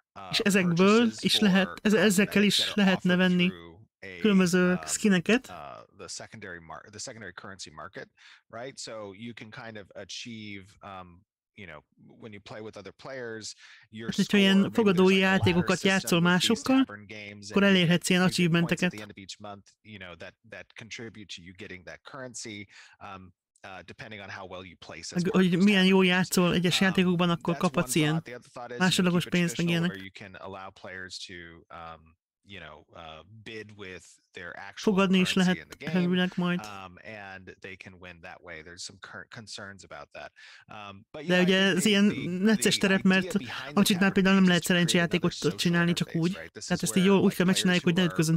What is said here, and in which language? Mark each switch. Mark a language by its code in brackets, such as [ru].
[hu] És ezekből is lehet, ezekkel is lehetne venni különböző skineket. [en] The secondary currency market, right? So you can kind of achieve, you know, when you play with other players, your score. [hu] Hogyha ilyen fogadói játékokat játszol másokkal, akkor elérhetsz ilyen achievementeket. [en] At the end of each month, you know, that contribute to you getting that currency, depending on how well you place. [hu] Hogy milyen jól játszol egyes játékokban, akkor kaphatsz ilyen másodlagos pénzt, meg ilyenek. [en] You can allow players to, you know, bid with their actual currency [hu] is lehet [en] in the game, [hu] majd. [en] And they can win that way. There's some current concerns about that. But yeah, [hu] ugye ez ilyen necces terep, mert amit már például nem lehet szerencsejátékot csinálni csak úgy. Tehát ezt jól úgy kell megcsinálni, hogy ne ütközön